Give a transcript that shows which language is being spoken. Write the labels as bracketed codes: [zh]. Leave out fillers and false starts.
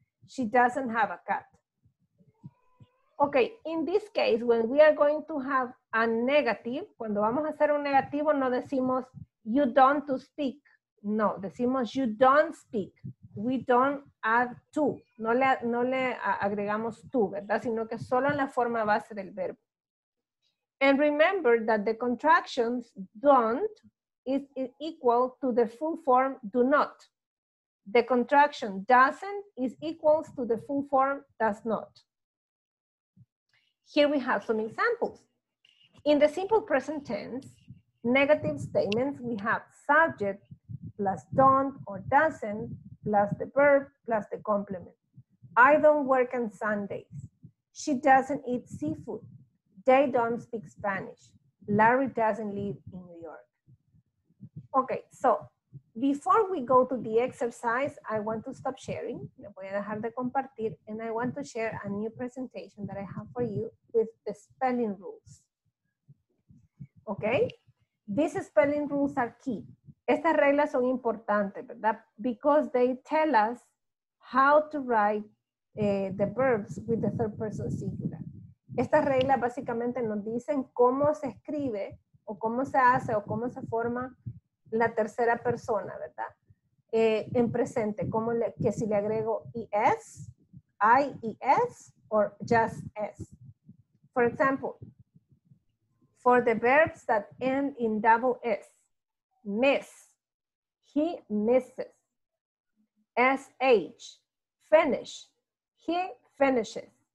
[en] She doesn't have a cat. Okay, in this case, when we are going to have a negative, [es] cuando vamos a hacer un negativo, no decimos, [en] you don't to speak. [es] No, decimos [en] you don't speak, we don't add to, [es] no le agregamos to, ¿verdad? Sino que solo en la forma base del verbo. [en] And remember that the contractions don't is equal to the full form do not. The contraction doesn't is equal to the full form does not. Here we have some examples. In the simple present tense, negative statements, we have subject, plus don't or doesn't, plus the verb, plus the complement. I don't work on Sundays. She doesn't eat seafood. They don't speak Spanish. Larry doesn't live in New York. Okay, so before we go to the exercise, I want to stop sharing. [es] Me voy a dejar de compartir, [en] and I want to share a new presentation that I have for you with the spelling rules. Okay, these spelling rules are key. [es] Estas reglas son importantes, ¿verdad? [en] Because they tell us how to write the verbs with the third person singular. [es] Estas reglas básicamente nos dicen cómo se escribe o cómo se hace o cómo se forma la tercera persona, ¿verdad? En presente, que si le agrego es, [en] IES or just S. For example, for the verbs that end in double S, miss, he misses. SH, finish, he finishes.